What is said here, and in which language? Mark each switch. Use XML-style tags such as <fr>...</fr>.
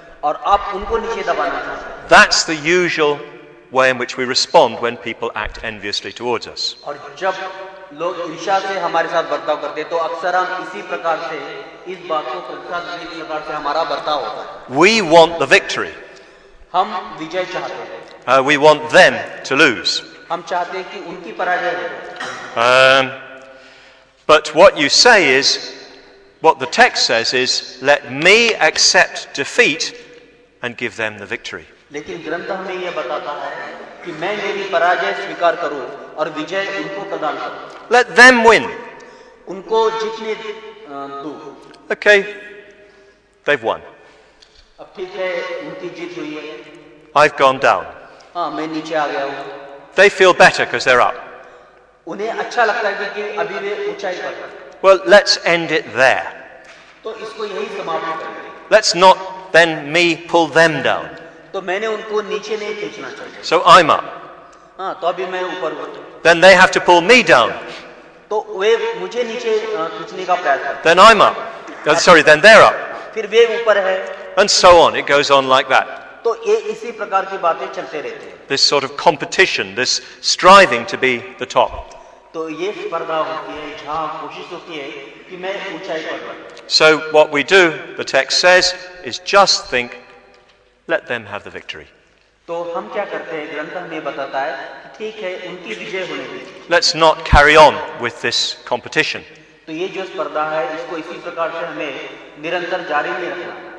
<hi>और आप उनको नीचे दबाना चाहते हैं.</hi> <en>That's the usual way in which we respond when people act enviously towards us.</en> <hi>और जब लोग ईर्ष्या से हमारे साथ बर्ताव करते हैं तो अक्सर हम इसी प्रकार से इस बात को प्रकट करने की प्रकार से हमारा बर्ताव होता है.</hi> <en>We want the victory.</en> <hi>हम विजय चाहते हैं.</hi> <en>We want them to lose.</en> <hi>हम चाहते हैं कि उनकी पराजय हो.</hi> <en>But what you say is, what the text says is, let me accept defeat and give them the victory.</en> <hi>लेकिन ग्रंथ हमें यह बताता है कि मैं मेरी पराजय स्वीकार करूं और विजय उनको प्रदान करूं.</hi> <en>Let them win.</en> <hi>उनको जीतने दो.</hi> <en>Okay, they've won.</en> <hi>अब ठीक है, उनकी जीत हुई है.</hi> <en>I've gone down.</en> <hi>हाँ, मैं नीचे आ गया हूँ.</hi> <en>They feel better because they're up.</en> <hi>उन्हें अच्छा लगता है कि अभी वे ऊंचाई पर.</hi> <en>Well, let's end it there.</en> <hi>तो इसको यहीं समाप्त करें.</hi> <en>Let's not then me pull them down.</en> <hi>तो मैंने उनको नीचे नहीं खींचना चाहिए.</hi> <en>So I'm up.</en> <hi>हाँ, तो अभी मैं ऊपर हूँ.</hi> <en>Then they have to pull me down.</en> <hi>तो वे मुझे नीचे खींचने का प्रयास करें.</hi> <en>Then I'm up. Sorry, then they're up.</en> <hi>फिर वे ऊपर है.</hi> <en>And so on. It goes on like that.</en> <hi>तो ये इसी प्रकार की बातें चलते रहते हैं.</hi> <en>This sort of competition, this striving to be the top.</en> <hi>तो ये स्पर्धा होती है, जहाँ कोशिश होती है कि मैं ऊंचाई पर रहूं.</hi> <en>So what we do, the text says, is just think, let them have the victory.</en> <hi>तो हम क्या करते हैं, ग्रंथ हमें बताता है कि ठीक है, उनकी विजय होने दीजिए.</hi> <en>Let's not carry on with this competition.</en> <hi>तो ये जो स्पर्धा है, इसको इसी प्रकार से हमें निरंतर जारी नहीं रखना.</hi>